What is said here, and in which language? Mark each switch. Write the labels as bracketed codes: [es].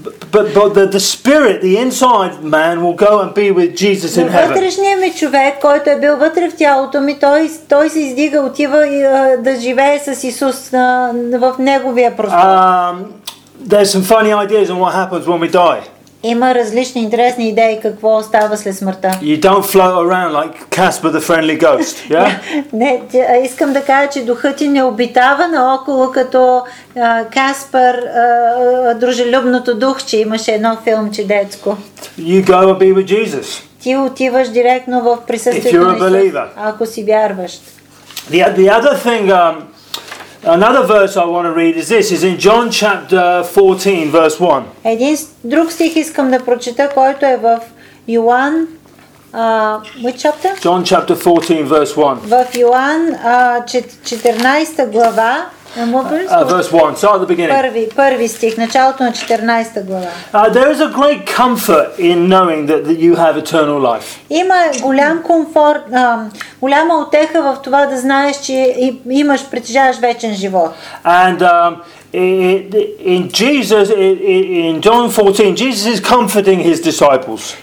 [en] But the spirit, the inside man will go and be with Jesus in heaven. [bg] Вътрешният ми човек, който е бил вътре в тялото ми, той се издига, отива и да живее с Исус в неговия простор. [en] There's some funny ideas on what happens when we die. [bg] Има различни интересни идеи какво става след смъртта. [en] You don't float around like Casper the Friendly Ghost, yeah? [bg] Не, искам да кажа, че духът ти не обитава наоколо като Каспер, дружелюбното духче, имаше едно филмче детско. [en] You go and be with Jesus. [bg] Ти отиваш директно в присъствието на Исус, ако си вярваш. [en] The other thing, another verse I want to read is this, is in John chapter 14, verse 1. [bg] Един друг стих искам да прочета, който е в Йоан, [en] which chapter? John chapter 14, verse 1. [bg] В Йоан 14 глава. [en] Verse 1, start at the beginning. [bg] Първи стих, началото на 14 глава. [en] There is a great comfort in knowing that you have eternal life. [bg] Има голям комфорт, голяма утеха в това да знаеш, че имаш, притежаваш вечен живот. [en] And in John 14, Jesus is comforting his disciples.